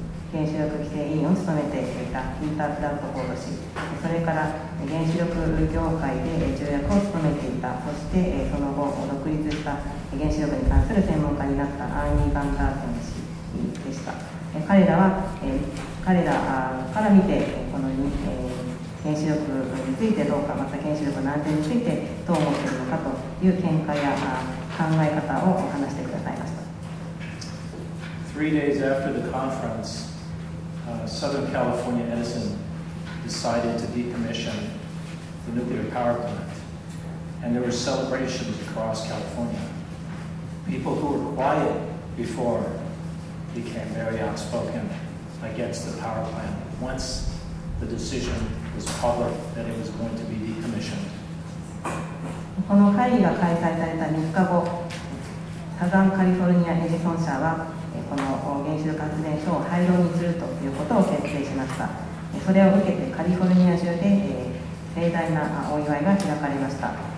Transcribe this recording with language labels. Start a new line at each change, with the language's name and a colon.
Japanese: 原子力規制委員を務めていたピーター・プラットフォード氏、それから原子力業界で重役を務めていた、そしてその後独立した原子力に関する専門家になったアーニー・バンダーセン氏でした。彼らから見てこの原子力についてどうか、また原子力の安全についてどう思っているのかという見解や考え方を話してくださいました。
English: 3 days after the conference, Southern California Edison decided to decommission the nuclear power plant. And there were celebrations across California. People who were quiet before became very outspoken against the power plant once the decision was public that it was going to be decommissioned.
Japanese: この会議が開催された3日後、サザンカリフォルニアエジソン社はこの原子力発電所を廃炉にするということを決定しました。それを受けてカリフォルニア中で盛大なお祝いが開かれました。